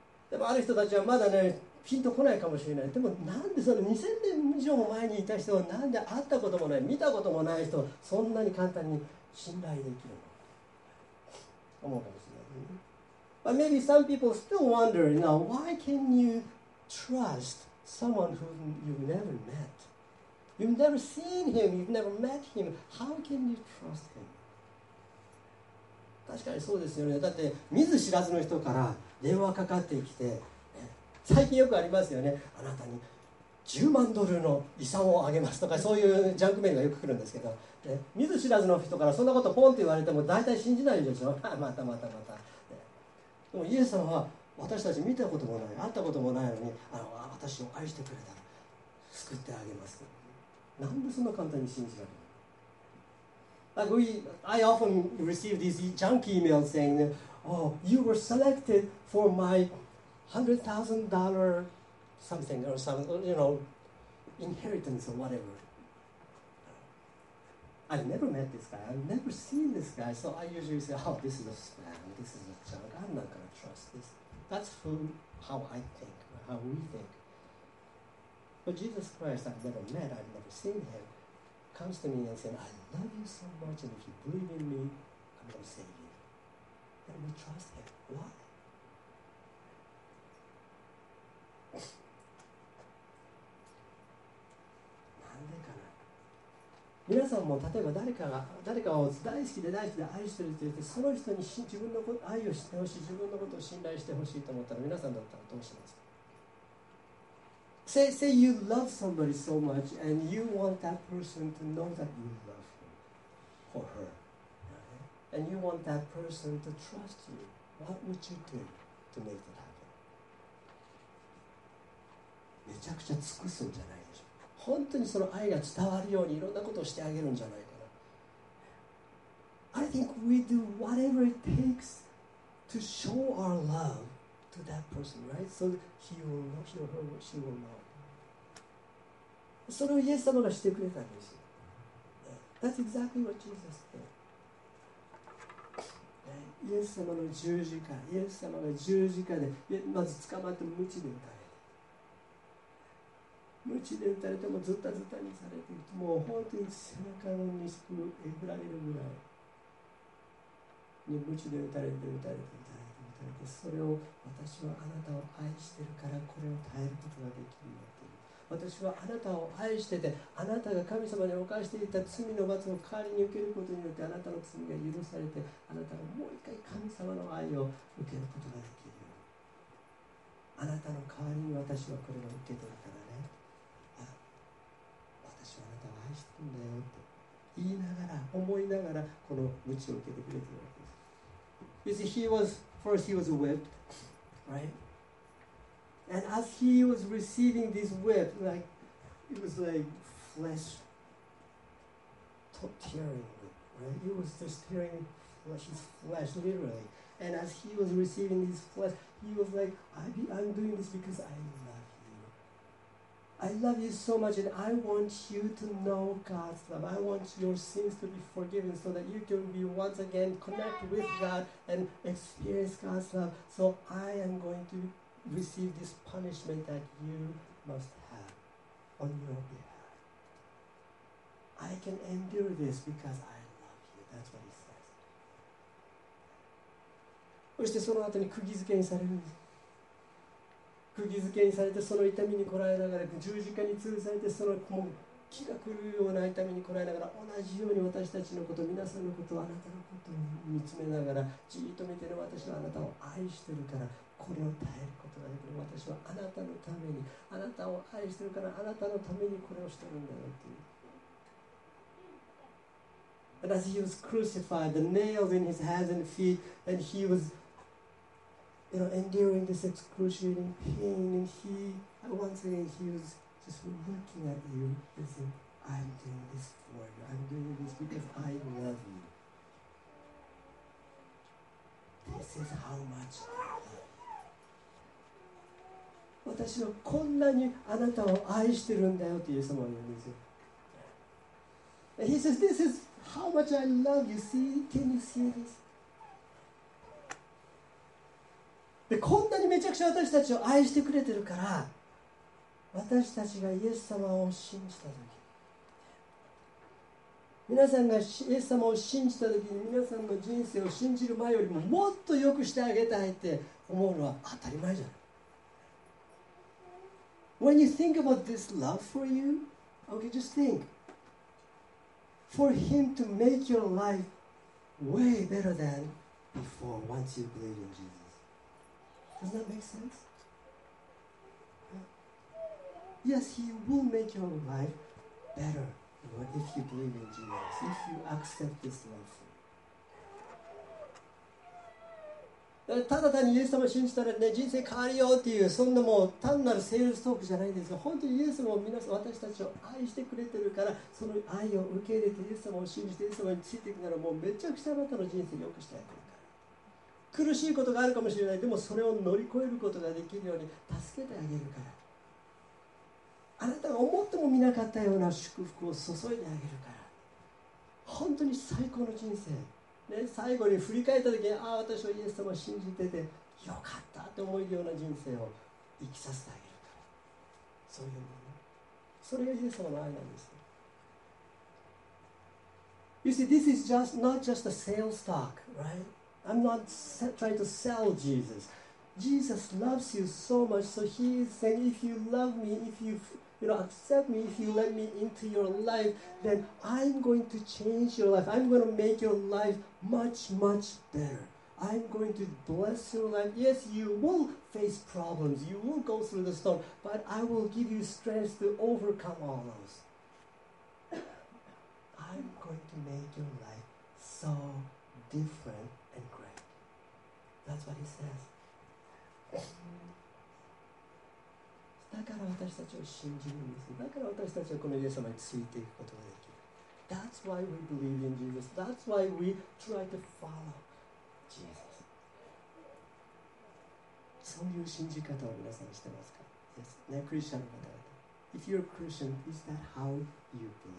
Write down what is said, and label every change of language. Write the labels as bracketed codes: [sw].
[ja] でもある人たちはまだね、ピンとこないかもしれない。でもなんでその2000年以上も前にいた人を、なんで会ったこともない、見たこともない人をそんなに簡単に信頼できるのか思うかもしれない。 [en] But maybe some people still wonder, you know, why can you trust someone who you've never met? You've never seen him, you've never met him. How can you trust him? [ja] 確かにそうですよね。だって見ず知らずの人から電話かかってきて、最近よくありますよね、あなたに10万ドルの遺産をあげますとか、そういうジャンクメールがよく来るんですけど、見ず知らずの人からそんなことポンって言われても大体信じないでしょ。またまたまた。でもイエス様は私たち見たこともない、会ったこともないのに、あの私を愛してくれたら救ってあげます。なんでそんな簡単に信じられる。 [en] Like we, I often receive these junk emails saying, oh, you were selected for my $100,000 something or something, you know, inheritance or whatever. I've never met this guy, I've never seen this guy, so I usually say, oh, this is a spam, this is a junk, I'm not going to trust this. That's who, how I think, how we think. But Jesus Christ, I've never met, I've never seen him. Comes to me and says, I love you so much, and if you believe in me, I'm going to save you. And we trust him. Why? [ja] なんでかな。皆さんも例えば誰かを大好きで大好きで愛してるって言って、その人に自分のこと愛を知ってほしい、自分のことを信頼してほしいと思ったら、皆さんだったらどうしますか。 [en] Say you love somebody so much and you want that person to know that you love him or her. And you want that person to trust you. What would you do to make that happen? [ja] めちゃくちゃ尽くすんじゃないでしょ。本当にその愛が伝わるようにいろんなことをしてあげるんじゃないかな。 [en] I think we do whatever it takes to show our love. To that person, right? So he will know, he or her, she will know. [ja] それをイエス様がしてくれたんですよ。 [en] That's exactly what Jesus did. [ja] イエス様の十字架、イエス様が十字架でまず捕まって鞭で打たれて、鞭で打たれてもずったずったにされて、もう本当に背中にすくえぐられるぐらいに鞭で打たれて打たれて打たれて。それを私はあなたを愛してるからこれを耐えることができるようになっている。私はあなたを愛してて、あなたが神様に犯していた罪の罰を代わりに受けることによって、あなたの罪が許されて、あなたがもう一回神様の愛を受けることができるように、あなたの代わりに私はこれを受けてるからね、あ、私はあなたを愛してるんだよと言いながら、思いながらこの鞭を受けてくれているわけです。 [en] You see, he wasFirst, he was whipped, right? And as he was receiving this whip, like, it was like flesh tearing, right? He was just tearing his flesh, literally. And as he was receiving his flesh, he was like, I'm doing this because I love you. I love you so much, and I want you to know God's love. I want your sins to be forgiven so that you can be once again connect with God and experience God's love. So I am going to receive this punishment that you must have on your behalf. I can endure this because I love you. That's what he says. [ja] そしてその後に釘付けにされるんです。釘付けにされて、その痛みにこらえながら、十字架に吊るされて、そのもう気が狂うような痛みにこらえながら、同じように私たちのこと、皆さんのこと、あなたのことを見つめながら、じっと見てる私はあなたを愛してるから、これを耐えることができる。私はあなたのために、あなたを愛してるから、あなたのためにこれをしてるんだよっていう。 [en] And as he was crucified, the nails in his hands and feet, and he was, you know, enduring this excruciating pain, and he, once again, he was just looking at you and saying, I'm doing this for you. I'm doing this because I love you. This is how much I love you. [ja] 私はこんなにあなたを愛してるんだよってイエス様は言うんですよ。 [en] And he says, this is how much I love you. See? Can you see this? [ja] でこんなにめちゃくちゃ私たちを愛してくれてるから、私たちがイエス様を信じたとき、皆さんがイエス様を信じたときに、皆さんの人生を信じる前よりももっと良くしてあげたいって思うのは当たり前じゃない。 [en] When you think about this love for you, okay, just think. For him to make your life way better than before once you believe in Jesus. Does that make sense? Yes, he will make your life better if you believe in Jesus, if you accept this love. [ja] ただ単にイエス様を信じたらね、人生変わるよっていう、そんなもう単なるセールストークじゃないんですよ。本当にイエス様を皆さん、私たちを愛してくれてるから、その愛を受け入れてイエス様を信じてイエス様についていくなら、もうめちゃくちゃあなたの人生良くしてあげるから。苦しいことがあるかもしれない、でもそれを乗り越えることができるように助けてあげるから、あなたが思ってもみなかったような祝福を注いであげるから、本当に最高の人生ね、最後に振り返った時に、ああ私はイエス様を信じててよかったと思えるような人生を生きさせてあげるから、そういうもの、それがイエス様の愛なんです。 [en] You see, this is just not just a sales talk, right? I'm not trying to sell Jesus. Jesus loves you so much, so he is saying, if you love me, if you, you know, accept me, if you let me into your life, then I'm going to change your life. I'm going to make your life much, much better. I'm going to bless your life. Yes, you will face problems. You will go through the storm, but I will give you strength to overcome all those. I'm going to make your life so different and great. That's what he says. [ja] だから私たちを信じるんです。だから私たちはこのイエス様についていくことができる。 [en] That's why we believe in Jesus. That's why we try to follow Jesus. [ja] そういう信じ方を皆さんしてますか？ [en] Yes. [ja] ね、クリスチャンの方々。 [en] If you're a Christian, is that how you believe?